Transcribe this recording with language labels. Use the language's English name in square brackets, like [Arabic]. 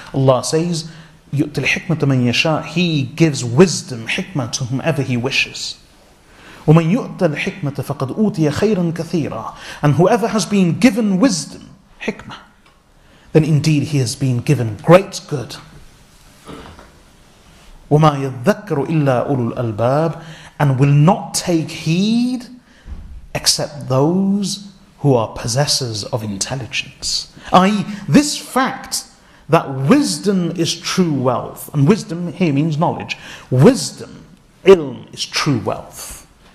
[Arabic] Allah says, يؤت الحكمة من يشاء. [English] He gives wisdom, حكمة to whomever he wishes. [Arabic] ومن يؤت الحكمة فقد أوتي خيرا كثيرا. [English] And whoever has been given wisdom, حكمة, then indeed he has been given great good. [Arabic] وما يذكر إلا أولو الألباب. [English] And will not take heed except those who are possessors of intelligence. I.e., this fact that wisdom is true wealth, and wisdom here means knowledge, wisdom, ilm, is true wealth.